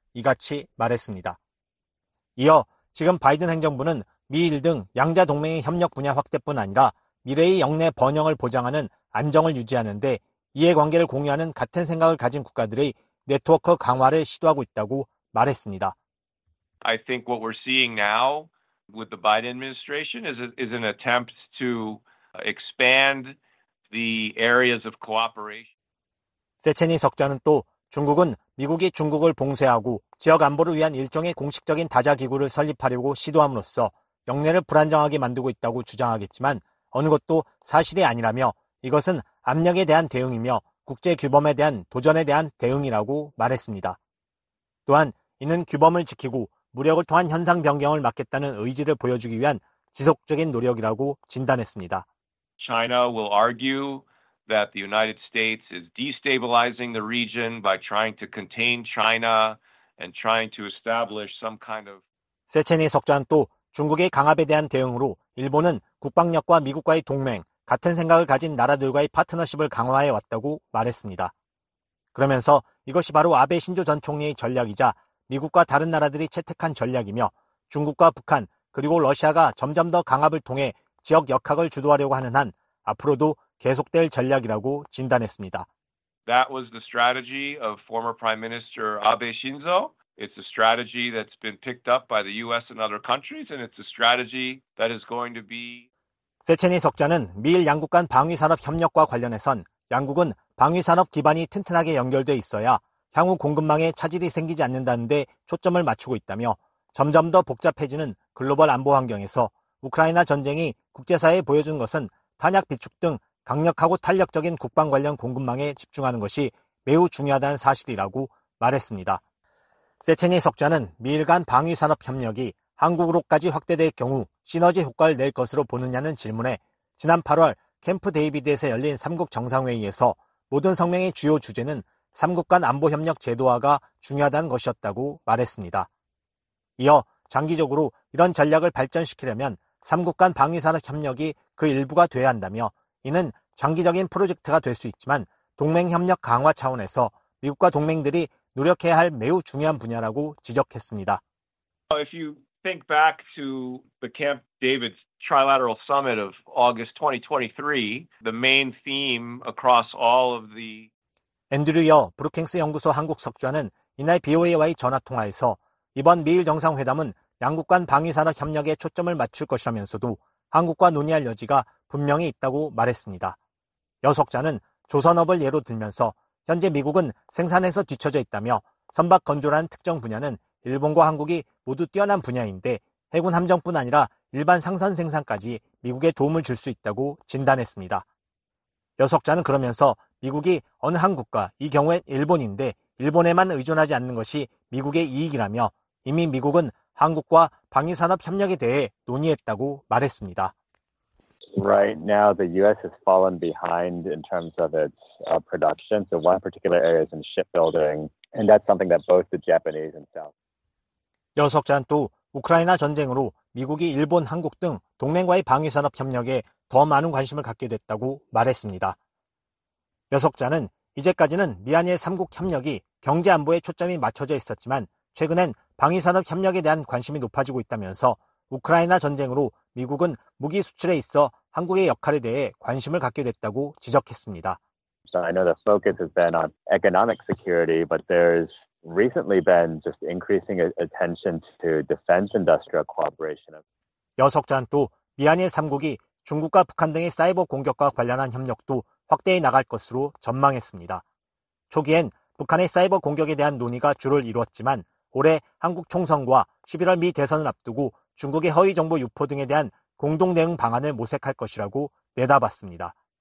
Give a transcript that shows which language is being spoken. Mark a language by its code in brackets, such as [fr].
[ko] 이같이 말했습니다. 이어 지금 바이든 행정부는 미일 등 양자동맹의 협력 분야 확대뿐 아니라 미래의 영내 번영을 보장하는 안정을 유지하는 데 이해관계를 공유하는 같은 생각을 가진 국가들의 네트워크 강화를 시도하고 있다고 말했습니다. [en] I think what we're seeing now with the Biden administration is an attempt to expand the areas of cooperation. [ko] 세체니 석좌는 또 중국은 미국이 중국을 봉쇄하고 지역 안보를 위한 일종의 공식적인 다자 기구를 설립하려고 시도함으로써 영내를 불안정하게 만들고 있다고 주장하겠지만 어느 것도 사실이 아니라며 이것은 압력에 대한 대응이며 국제 규범에 대한 도전에 대한 대응이라고 말했습니다. 또한 이는 규범을 지키고 무력을 통한 현상 변경을 막겠다는 의지를 보여주기 위한 지속적인 노력이라고 진단했습니다. [en] China will argue that the United States is destabilizing the region by trying to contain China and trying to establish some kind of [ko] 세체니 석좌는 또 중국의 강압에 대한 대응으로 일본은 국방력과 미국과의 동맹, 같은 생각을 가진 나라들과의 파트너십을 강화해 왔다고 말했습니다. 그러면서 이것이 바로 아베 신조 전 총리의 전략이자 미국과 다른 나라들이 채택한 전략이며 중국과 북한 그리고 러시아가 점점 더 강압을 통해 지역 역학을 주도하려고 하는 한 앞으로도 계속될 전략이라고 진단했습니다. [en] That was the strategy of former Prime Minister Abe Shinzo. It's a strategy that's been picked up by the US and other countries and it's a strategy that is going to be [ko] 세체니 석좌는 미일 양국 간 방위산업 협력과 관련해선 양국은 방위산업 기반이 튼튼하게 연결돼 있어야 향후 공급망에 차질이 생기지 않는다는 데 초점을 맞추고 있다며 점점 더 복잡해지는 글로벌 안보 환경에서 우크라이나 전쟁이 국제사회에 보여준 것은 탄약 비축 등 강력하고 탄력적인 국방 관련 공급망에 집중하는 것이 매우 중요하다는 사실이라고 말했습니다. 세체니 석좌는 미일 간 방위산업 협력이 한국으로까지 확대될 경우 시너지 효과를 낼 것으로 보느냐는 질문에 지난 8월 캠프 데이비드에서 열린 3국 정상회의에서 모든 성명의 주요 주제는 3국 간 안보협력 제도화가 중요하다는 것이었다고 말했습니다. 이어 장기적으로 이런 전략을 발전시키려면 3국 간 방위산업협력이 그 일부가 돼야 한다며 이는 장기적인 프로젝트가 될 수 있지만 동맹협력 강화 차원에서 미국과 동맹들이 노력해야 할 매우 중요한 분야라고 지적했습니다. [en] If you think back to the Camp David trilateral summit of August 2023, the main theme across all of the [ko] 앤드류 여 브루킹스 연구소 한국 석좌는 이날 BOA와의 전화 통화에서 이번 미일 정상회담은 양국 간 방위산업 협력에 초점을 맞출 것이라면서도 한국과 논의할 여지가 분명히 있다고 말했습니다. 여 석좌는 조선업을 예로 들면서 현재 미국은 생산에서 뒤처져 있다며 선박 건조라는 특정 분야는 일본과 한국이 모두 뛰어난 분야인데 해군 함정뿐 아니라 일반 상선 생산까지 미국에 도움을 줄 수 있다고 진단했습니다. 여 석좌는 그러면서 미국이 어느 한 국가, 이 경우엔 일본인데 일본에만 의존하지 않는 것이 미국의 이익이라며 이미 미국은 한국과 방위산업 협력에 대해 논의했다고 말했습니다. [en] Right now the US has fallen behind in terms of its production. So one particular area is in shipbuilding and that's something that both the Japanese and South [ko] 여 석좌는 또 우크라이나 전쟁으로 미국이 일본, 한국 등 동맹과의 방위산업 협력에 더 많은 관심을 갖게 됐다고 말했습니다. 여 석좌는 이제까지는 미한일 3국 협력이 경제 안보에 초점이 맞춰져 있었지만 최근엔 방위산업 협력에 대한 관심이 높아지고 있다면서 우크라이나 전쟁으로 미국은 무기 수출에 있어 한국의 역할에 대해 관심을 갖게 됐다고 지적했습니다. [en] So I know the focus has been on economic security, but there's recently been just increasing attention to defense industrial cooperation. [ko] 여 석좌는 또 미한일 3국이 중국과 북한 등의 사이버 공격과 관련한 협력도 확대해 나갈 것으로 전망했습니다. 초기엔 북한의 사이버 공격에 대한 논의가 주를 이루었지만 올해 한국 총선과 11월 미 대선을 앞두고 중국의 허위 정보 유포 등에 대한 공동 대응 방안을 모색할 것이라고 내다봤습니다.